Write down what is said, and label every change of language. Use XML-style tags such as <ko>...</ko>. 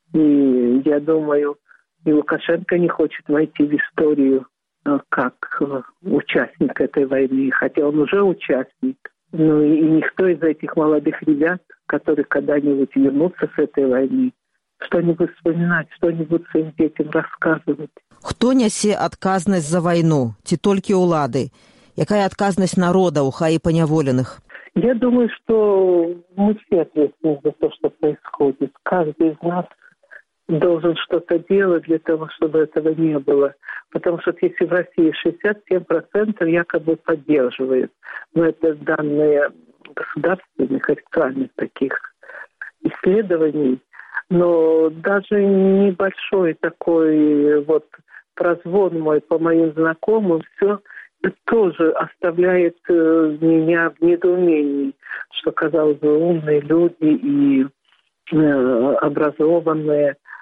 <ru>И я думаю, и Лукашенко не хочет войти в историю как участник этой войны, хотя он уже участник. Ну и никто из этих молодых ребят, которые когда-нибудь вернутся с этой войны, что-нибудь вспоминать, что-нибудь своим детям рассказывать.</ru> <be>Хто нясе адказнасць за вайну, ці толькі ўлады? Якая адказнасць народа ў хаі паняволеных?</be> <ru>Я думаю, што мы все адказны за то, што происходит. Каждый из нас должен что-то делать для того, чтобы этого не было. Потому что если в России 67% якобы поддерживает, но это данные государственных, официальных таких исследований, но даже небольшой такой вот прозвон мой по моим знакомым, все тоже оставляет меня в недоумении, что, казалось бы, умные люди и образованные.</ru>